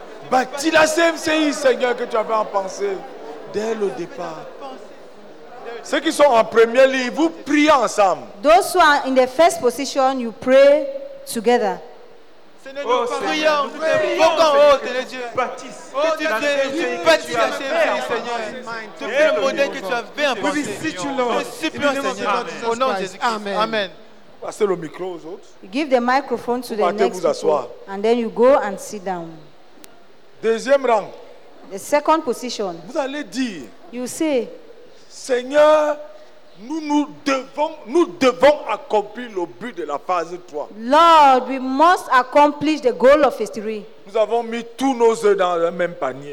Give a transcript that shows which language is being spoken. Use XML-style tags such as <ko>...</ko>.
<fr>Bâtis la CMCI, Seigneur, que tu avais en pensée dès le départ. Ceux qui sont en première ligne, vous priez ensemble.</fr> <en>Those who are in the first position, you pray together.</en> <fr>Seigneur, nous prions, nous invoquons, oh Dieu, Baptiste, le modèle que tu avais en pensée. Nous supplions, Seigneur, au nom de Jésus. Amen. Amen. Passez le micro aux autres.</fr> <en>You give the microphone to the next people, and then you go and sit down.</en> <fr>Deuxième rang.</fr> <en>The second position.</en> <fr>Vous allez dire.</fr> <en>You say.</en> <fr>Seigneur, nous devons accomplir le but de la phase 3.</fr> <en>Lord, we must accomplish the goal of phase 3.</en> <fr>Nous avons mis tous nos œufs dans le même panier.</fr>